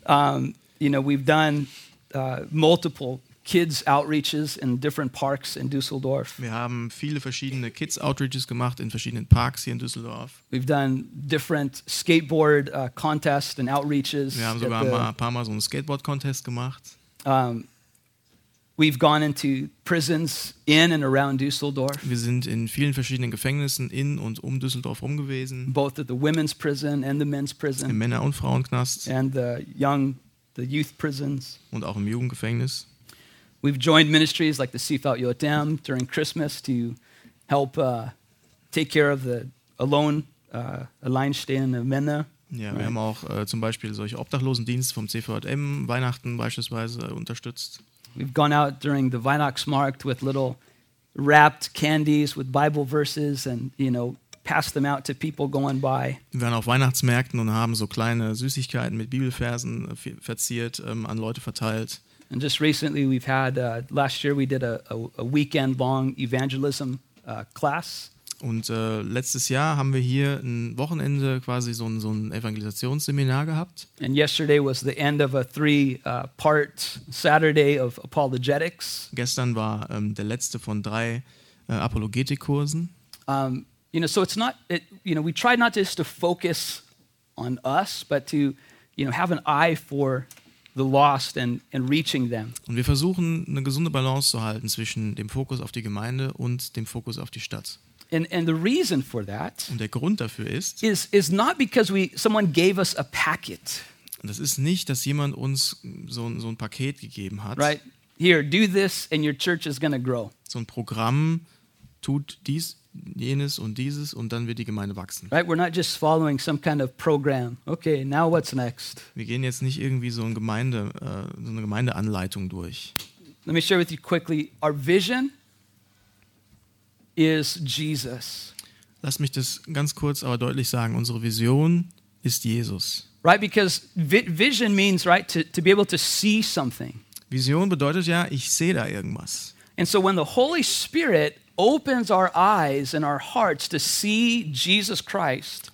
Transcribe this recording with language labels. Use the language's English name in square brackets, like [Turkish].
[English] You know, we've done multiple kids outreaches in different parks in Düsseldorf. [German] Wir haben viele verschiedene kids outreaches gemacht in verschiedenen Parks hier in Düsseldorf. [English] We've done different skateboard contests and outreaches. [German] Wir haben sogar ein paar mal so einen Skateboard Contest gemacht. [English] We've gone into prisons in and around Düsseldorf. [German] Wir sind in vielen verschiedenen Gefängnissen in und um Düsseldorf rum gewesen. [English] Both at the women's prison and the men's prison. [German] Im Männer- und Frauenknast. [English] And the youth prisons. [German] Und auch im Jugendgefängnis. [English] We've joined ministries like the Seafelt Yotam during Christmas to help take care of the alone [German] alleinstehende Männer. Ja, right. Wir haben auch zum Beispiel solche Obdachlosendienste vom CVJM Weihnachten beispielsweise unterstützt. [English] We've gone out during the Weihnachtsmarkt with little wrapped candies with Bible verses and, you know, passed them out to people going by. [German] Wir waren auf Weihnachtsmärkten und haben so kleine Süßigkeiten mit Bibelversen verziert an Leute verteilt. [English] And just recently we've had, last year we did a weekend long evangelism class. [German] Und letztes Jahr haben wir hier ein Wochenende quasi so ein Evangelisationsseminar gehabt. [English] And yesterday was the end of a 3-part Saturday of apologetics. [German] Gestern war der letzte von 3 Apologetikkursen. [English] You know, so it's not, it, you know, we try not just to focus on us, but to, you know, have an eye for the lost and reaching them. [German] Und wir versuchen eine gesunde Balance zu halten zwischen dem Fokus auf die Gemeinde und dem Fokus auf die Stadt. [English] And the reason for that, [German] und der Grund dafür ist, [English] is not because someone gave us a packet. [German] Das ist nicht, dass jemand uns so ein Paket gegeben hat. [English] Right? Here, do this and your church is going to grow. [German] So ein Programm tut dies, jenes und dieses und dann wird die Gemeinde wachsen. [English] Right? We're not just following some kind of program. Okay, now what's next? [German] Wir gehen jetzt nicht irgendwie so eine Gemeindeanleitung durch. [English] Let me share with you quickly our vision. Is Jesus. [German] Lass mich das ganz kurz aber deutlich sagen. Unsere Vision ist Jesus. [English] Right, because vision means, right, to be able to see something. [German] Vision bedeutet ja, ich sehe da irgendwas. [English] And so when the Holy Spirit opens our eyes and our hearts to see Jesus Christ.